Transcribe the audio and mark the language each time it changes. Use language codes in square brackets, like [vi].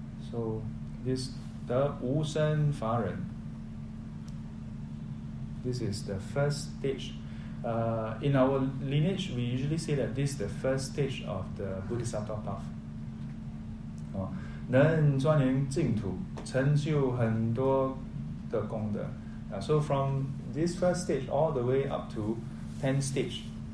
[en] So this the Wu Sheng Fa Ren. This is the first stage. In our lineage, we usually say that this is the first stage of the Bodhisattva path. [zh] 能专研净土，成就很多的功德。 [en] So from this first stage all the way up to 10th stage.